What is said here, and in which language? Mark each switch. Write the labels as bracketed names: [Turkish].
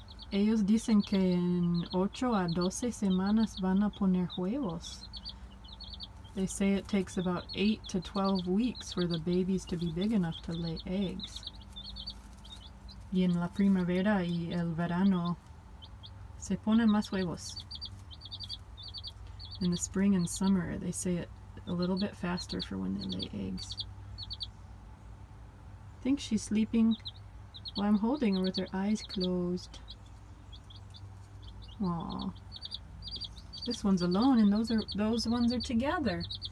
[Spanish] Ellos dicen que en 8 a 12 semanas van a poner huevos. [English] They say it takes about 8 to 12 weeks for the babies to be big enough to lay eggs. [Spanish] Y en la primavera y el verano se ponen más huevos. [English] In the spring and summer, they say it a little bit faster for when they lay eggs. I think she's sleeping while I'm holding her with her eyes closed. Aww. This one's alone and those ones are together.